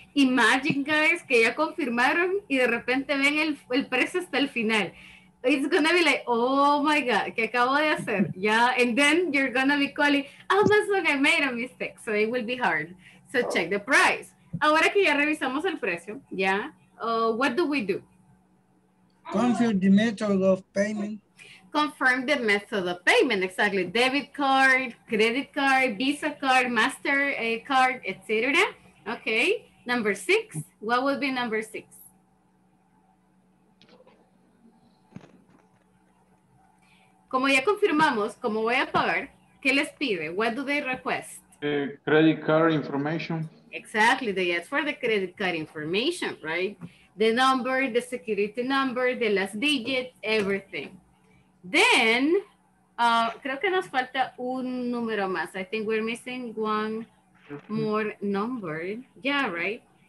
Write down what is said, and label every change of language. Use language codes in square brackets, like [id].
[es] Imagine, guys, que ya confirmaron y de repente ven el precio hasta el final. [en] It's gonna be like, oh my God, [es] ¿qué acabo de hacer? [en] Yeah, and then you're gonna be calling, Amazon, I made a mistake. So it will be hard. So check the price. [es] Ahora que ya revisamos el precio, ya, [en] what do we do? Confirm the method of payment. Confirm the method of payment, exactly. Debit card, credit card, Visa card, Master card, etc. Okay, number six. What would be number six? [es] Como ya confirmamos, como voy a pagar, ¿qué les pide? [en] What do they request? Credit card information. Exactly, they ask for the credit card information, right? The number, the security number, the last digit, everything. [es] Then, creo que nos falta un número más. [en] I think we're missing one more number. Yeah, right?